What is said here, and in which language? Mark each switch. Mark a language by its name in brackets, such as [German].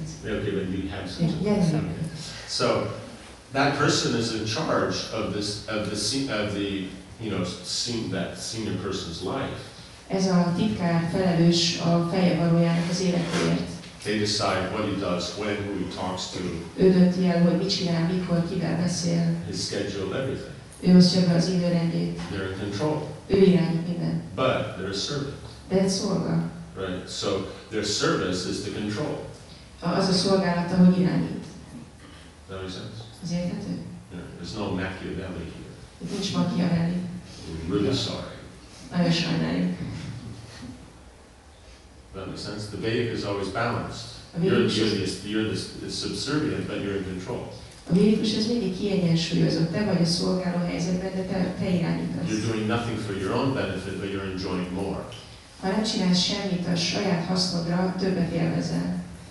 [English] Okay, so that person is in charge of this of the you know seeing that senior person's life. [Hungarian] Ez a titkár felelős a fejevalójának az életéért. [English] They decide what he does, when, who he talks to. [Hungarian] Ő dönti el, hogy mit csinál, mikor, kivel beszél. [English] His schedule, everything. [Hungarian] Ő osztja be az időrendjét. [English] They're in control. [Hungarian] Ő irányít minden. [English] But they're a servant. [Hungarian] De egy szolga. [English] Right. So their service is the control. [Hungarian] Az a szolgálat, ahogy irányít. [English] That makes sense. [Hungarian] Ez érthető? [English] Yeah. There's no Machiavelli here. [Hungarian] Itt nincs Machiavelli. [English] We're really sorry. [Hungarian] Nagyon sajnáljuk. [English] That makes sense. The Vedic is always balanced. You're the subservient, but you're in control. [Hungarian] A vedikus az mindig kiegyensúlyozott. Te vagy a szolgáló helyzetben, de te irányítasz. [English] You're doing nothing for your own benefit, but you're enjoying more. [Hungarian] Ha nem csinálsz semmit a saját hasznodra, többet élvezel.